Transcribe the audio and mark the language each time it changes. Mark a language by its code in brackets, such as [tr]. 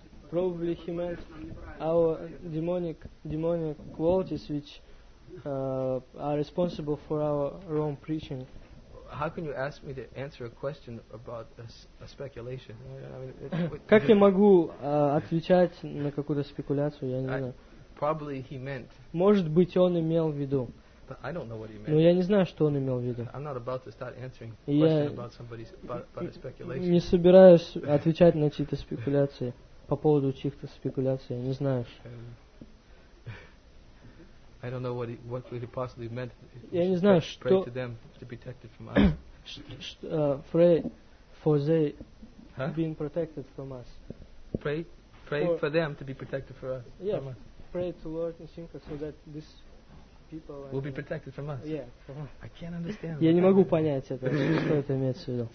[en] Probably he meant our demonic qualities, which are responsible for our wrong preaching. How can you ask me to answer a question about a speculation? [ru] Как я могу отвечать на какую-то спекуляцию? Я не знаю. [en] Probably he meant. [ru] Может быть, он имел в виду. [en] But I don't know what he meant. [ru] Но я не знаю, что он имел в виду. [en] I'm not about to start answering questions about somebody's about a speculation. [ru] Не собираюсь отвечать на чьи-то спекуляции. По поводу чьих-то спекуляций, не знаешь. [en] I don't know what he possibly meant. [ru] Я не знаю, что... [en] Pray to them to be protected from us. Pray for they being protected from us. Pray for them to be protected for us. Yeah, pray to Lord Nrisimha so that this people... Will be protected from us. Yeah. I can't understand. [ru] Я не могу понять это, что это имеется в виду.